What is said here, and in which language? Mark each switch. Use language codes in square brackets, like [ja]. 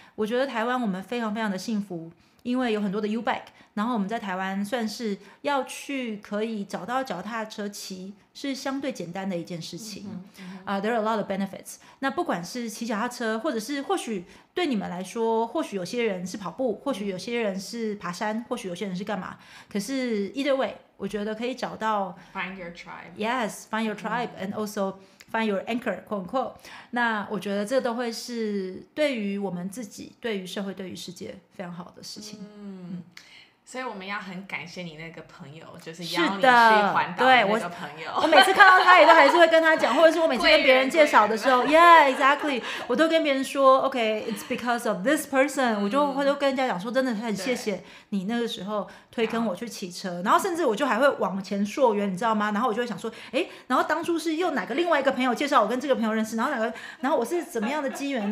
[zh] 我觉得台湾我们非常非常的幸福，因为有很多的 U-bike， 然后我们在台湾算是要去可以找到脚踏车骑是相对简单的一件事情、 [en] there are a lot of benefits。 [zh] 那不管是骑脚踏车，或者是或许对你们来说，或许有些人是跑步，或许有些人是爬山，或许有些人是干嘛，可是 [en] either way [zh] 我觉得可以找到 [en] find your tribe。 Yes, find your tribe、and also find your anchor quote unquote。 [zh] 那我觉得这都会是对于我们自己对于社会对于世界非常好的事情。所以我们要很感谢你那个朋友，就是邀你去环岛的那个朋友。我每次看到他也都还是会跟他讲，或者是我每次跟别人介绍的时候 [en] Yeah, exactly [zh] 我都跟别人说 [en] OK, it's because of this person、 [zh] 嗯、我就会都跟人家讲说真的很谢谢你那个时候推坑我去骑车，然后甚至我就还会往前溯源你知道吗，然后我就会想说哎，然后当初是又哪个另外一个朋友介绍我跟这个朋友认识，然后哪个，然后我是怎么样的机缘。